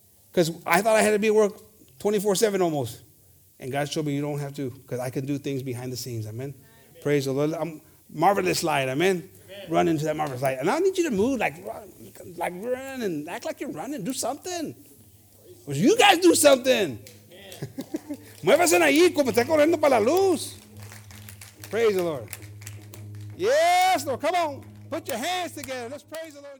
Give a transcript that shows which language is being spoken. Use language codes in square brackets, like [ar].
[en] Because I thought I had to be at work 24/7 almost. And God showed me you don't have to, because I can do things behind the scenes. Amen. Amen. Praise the Lord. I'm marvelous light. Amen. Amen. Run into that marvelous light. And I need you to move, like run, like run and act like you're running. Do something. Or you guys do something. [es] Muévase ahí como está corriendo para la luz. [en] Praise the Lord. Yes, Lord. Come on. Put your hands together. Let's praise the Lord.